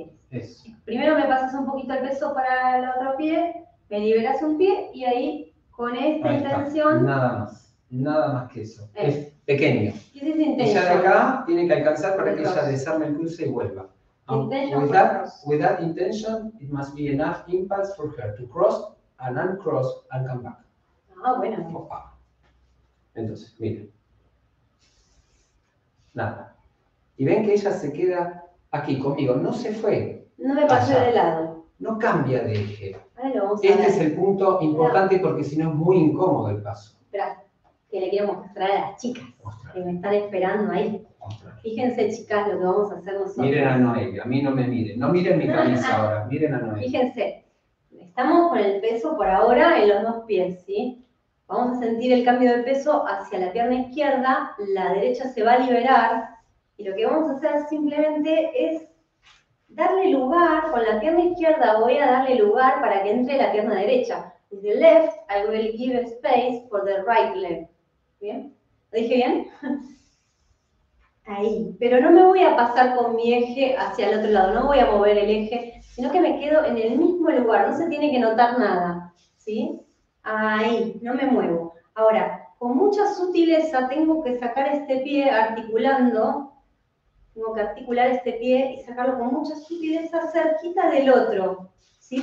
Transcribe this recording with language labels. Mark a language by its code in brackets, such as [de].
[es] Eso. Primero me pasas un poquito el peso para el otro pie, me liberas un pie y ahí con esta ahí intención. Está. Nada más que eso. Es pequeño. ¿Qué es intención? Ella de acá tiene que alcanzar para que ella desarme el cruce y vuelva. [en] With that intention, it must be enough impulse for her to cross and uncross and come back. [es] Ah, bueno. Opa. Entonces, miren. Nada. Y ven que ella se queda aquí conmigo. No se fue. No me pasé de lado. No cambia de eje. Bueno, vamos a ver. Es el punto importante porque si no es muy incómodo el paso. Espera, que le quiero mostrar a las chicas que me están esperando ahí. Fíjense, chicas, lo que vamos a hacer nosotros. Miren a Noelia, a mí no me miren. No miren mi camisa ahora, miren a Noelia. Fíjense, estamos con el peso por ahora en los dos pies, ¿sí? Vamos a sentir el cambio de peso hacia la pierna izquierda, la derecha se va a liberar, y lo que vamos a hacer simplemente es darle lugar, con la pierna izquierda voy a darle lugar para que entre la pierna derecha. [en] With the left, I will give space for the right leg. [es] ¿Bien? ¿Lo dije bien? Ahí, pero no me voy a pasar con mi eje hacia el otro lado, no voy a mover el eje, sino que me quedo en el mismo lugar, no se tiene que notar nada, ¿sí? Ahí, no me muevo. Ahora, con mucha sutileza tengo que sacar este pie articulando, tengo que articular este pie y sacarlo con mucha sutileza cerquita del otro, ¿sí?